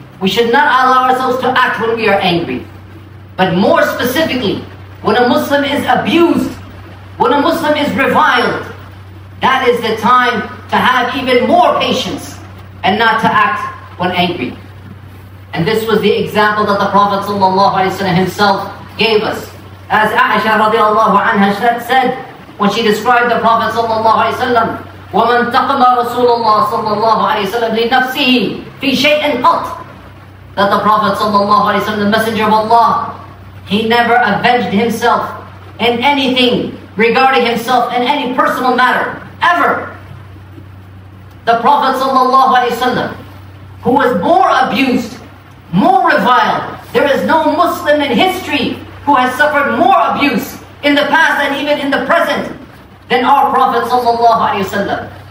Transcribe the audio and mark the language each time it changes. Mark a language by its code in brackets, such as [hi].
[en] We should not allow ourselves to act when we are angry. But more specifically, when a Muslim is abused, when a Muslim is reviled, that is the time to have even more patience and not to act when angry. And this was the example that the Prophet ﷺ himself gave us. As Aisha radiallahu anha said, when she described the Prophet ﷺ, [ar] وَمَنْ تَقْمَ رَسُولَ اللَّهِ صَلَّى اللَّهُ عَلَيْهِ وَسَلَّمْ لِنَفْسِهِ فِي شَيْءٍ قَطْ. [en] That the Prophet ﷺ, the Messenger of Allah, he never avenged himself in anything regarding himself in any personal matter, ever. The Prophet ﷺ, who was more abused, more reviled, there is no Muslim in history who has suffered more abuse in the past and even in the present than our Prophet ﷺ.